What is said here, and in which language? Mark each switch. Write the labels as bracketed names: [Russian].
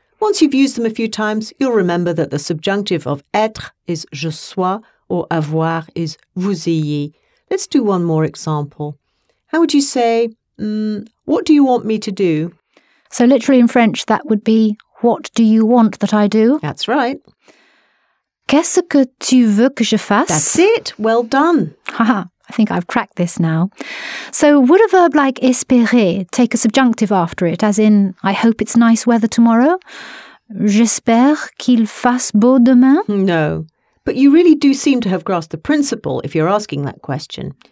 [English] Once you've used them a few times, you'll remember that the subjunctive of être is [French] je sois, [English] or avoir is [French] vous ayez. [English] Let's do one more example. How would you say, what do you want me to do? So literally in French, that would be, what do you want that I do? That's right. [French] Qu'est-ce que tu veux que je fasse? [English] That's it. Well done. Haha, I think I've cracked this now. So would a verb like espérer take a subjunctive after it, as in, I hope it's nice weather tomorrow? [French] J'espère qu'il fasse beau demain? [English] No. But you really do seem to have grasped the principle if you're asking that question.